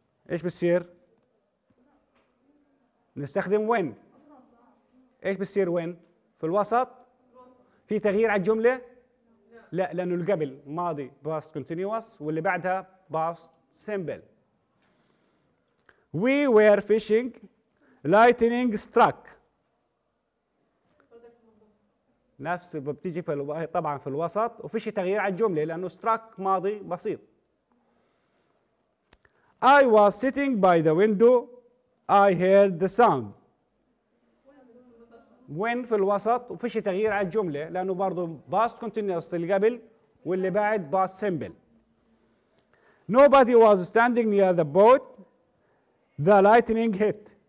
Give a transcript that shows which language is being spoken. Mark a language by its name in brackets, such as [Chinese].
[Arabic] ايش بصير؟ نستخدم وين؟ ايش بصير وين؟ في الوسط؟ في تغيير على الجملة؟ لا، لأنه القبل ماضي past continuous واللي بعدها past simple. [English] We were fishing, lightning struck. [Arabic] نفس بتيجي في طبعا في الوسط وفي شيء تغيير على الجمله لانه struck ماضي بسيط. [English] I was sitting by the window, I heard the sound. [Arabic] وين في الوسط وفي شيء تغيير على الجمله لانه برضه past continuous اللي قبل واللي بعد past simple. [English] Nobody was standing near the boat, the lightning hit.